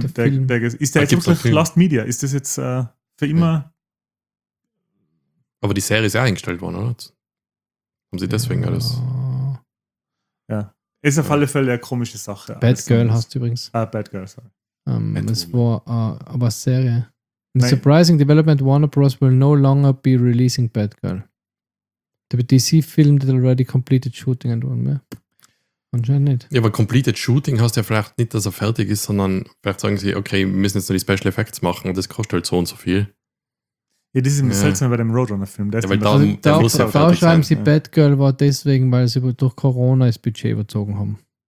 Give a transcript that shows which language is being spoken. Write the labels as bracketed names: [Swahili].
[German] Ist der jetzt wirklich Lost Media? Ist das jetzt für immer? Ja. Aber die Serie ist ja eingestellt worden, oder? Haben sie deswegen alles? Ja. Ist auf alle Fälle eine komische Sache. Batgirl hast du übrigens. Batgirl, sorry. Es war aber Serie. [English] In the surprising development, Warner Bros. Will no longer be releasing Batgirl. The DC film that already completed shooting and one, yeah. [German] Anscheinend nicht. Ja, aber [English] completed shooting [German] heißt ja vielleicht nicht, dass er fertig ist, sondern vielleicht sagen sie, okay, wir müssen jetzt nur die Special Effects machen und das kostet halt so und so viel. Ja, das ist immer seltsam bei dem Roadrunner-Film. Ja, weil da muss ja fertig sein. Da schreiben sie, Batgirl war deswegen, weil sie durch Corona das Budget überzogen haben.